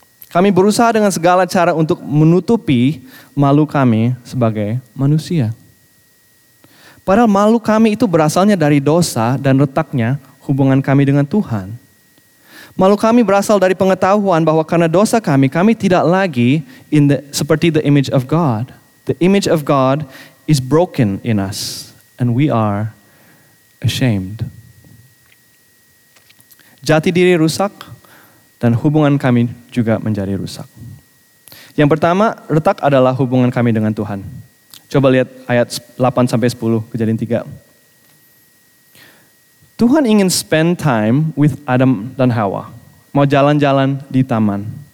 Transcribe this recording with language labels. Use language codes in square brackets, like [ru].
[id] Kami berusaha dengan segala cara untuk menutupi malu kami sebagai manusia. Padahal malu kami itu berasalnya dari dosa dan retaknya hubungan kami dengan Tuhan. Malu kami berasal dari pengetahuan bahwa karena dosa kami, kami tidak lagi seperti [en] the image of God. The image of God is broken in us and we are ashamed. [id] Jati diri rusak. dan hubungan kami juga menjadi rusak. Yang pertama, retak adalah hubungan kami dengan Tuhan. Coba lihat ayat 8-10, Kejadian 3. Tuhan ingin [en] spend time with [id] Adam dan Hawa. Mau jalan-jalan di taman.